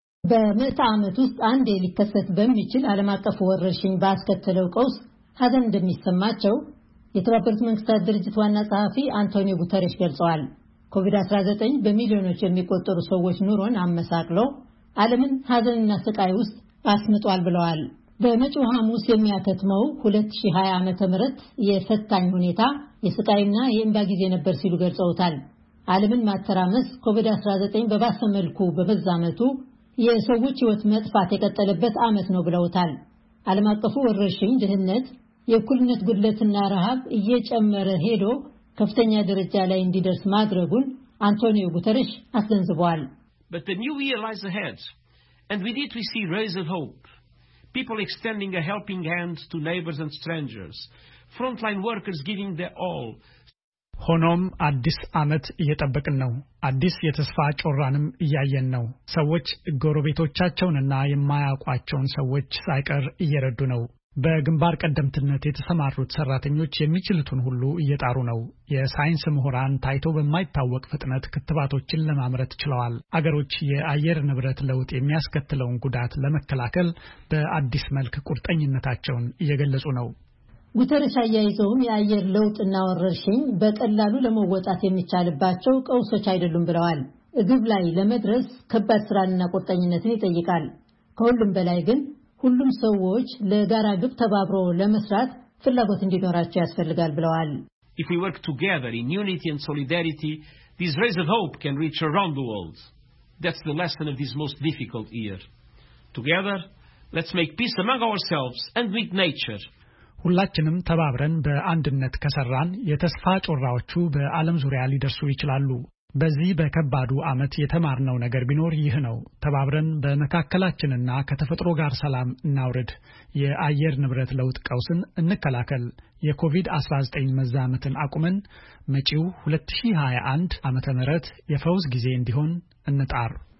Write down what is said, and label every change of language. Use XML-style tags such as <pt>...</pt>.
<am>በመጣ ዓመት ውስጥ አንድ የሊከሰት በሚችል ዓለም አቀፍ ወረርሽኝ ባስከተለው ቀውስ ሀዘን እንደሚሰማቸው የተባበሩት መንግስታት ድርጅት ዋና ጸሐፊ አንቶኒዮ ጉተሬሽ ገልጸዋል። ኮቪድ-19 በሚሊዮኖች የሚቆጠሩ ሰዎች ኑሮን አመሳቅሎ ዓለምን ሀዘንና ስቃይ ውስጥ አስምጧል ብለዋል። በመጪው ሐሙስ የሚያተትመው 2020 ዓመተ ምህረት የፈታኝ ሁኔታ የስቃይና የእንባ ጊዜ ነበር ሲሉ ገልጸውታል። ዓለምን ማተራመስ ኮቪድ-19 በባሰ መልኩ በመዛመቱ የሰዎች ህይወት መጥፋት የቀጠለበት ዓመት ነው ብለውታል። ዓለም አቀፉ ወረርሽኝ ድህነት፣ የእኩልነት ጉድለትና ረሃብ እየጨመረ ሄዶ ከፍተኛ ደረጃ ላይ እንዲደርስ ማድረጉን አንቶኒዮ ጉተሬሽ አስገንዝበዋል።</am> <en>But the new year lies ahead and with it we see rays of hope. People extending a helping hand to neighbors and strangers. Frontline workers giving their all.</en> <am>ሆኖም አዲስ ዓመት እየጠበቅን ነው። አዲስ የተስፋ ጮራንም እያየን ነው። ሰዎች ጎረቤቶቻቸውንና የማያውቋቸውን ሰዎች ሳይቀር እየረዱ ነው። በግንባር ቀደምትነት የተሰማሩት ሰራተኞች የሚችሉትን ሁሉ እየጣሩ ነው። የሳይንስ ምሁራን ታይቶ በማይታወቅ ፍጥነት ክትባቶችን ለማምረት ችለዋል። አገሮች የአየር ንብረት ለውጥ የሚያስከትለውን ጉዳት ለመከላከል በአዲስ መልክ ቁርጠኝነታቸውን እየገለጹ ነው። ጉተረሻ ያይዘውም የአየር ለውጥና ወረርሽኝ በቀላሉ ለመወጣት የሚቻልባቸው ቀውሶች አይደሉም ብለዋል። እግብ ላይ ለመድረስ ከባድ ስራንና ቁርጠኝነትን ይጠይቃል። ከሁሉም በላይ ግን ሁሉም ሰዎች ለጋራ ግብ ተባብሮ ለመስራት ፍላጎት እንዲኖራቸው ያስፈልጋል ብለዋል።</am> <en>If we work together in unity and solidarity, these rays of hope can reach around the world. That's the lesson of this most difficult year. Together, let's make peace among ourselves and with nature.</en> <am>ሁላችንም ተባብረን በአንድነት ከሰራን የተስፋ ጮራዎቹ በዓለም ዙሪያ ሊደርሱ ይችላሉ። በዚህ በከባዱ ዓመት የተማርነው ነገር ቢኖር ይህ ነው። ተባብረን በመካከላችንና ከተፈጥሮ ጋር ሰላም እናውርድ። የአየር ንብረት ለውጥ ቀውስን እንከላከል። የኮቪድ-19 መዛመትን አቁመን መጪው 2021 ዓመተ ምህረት የፈውስ ጊዜ እንዲሆን እንጣር።</am>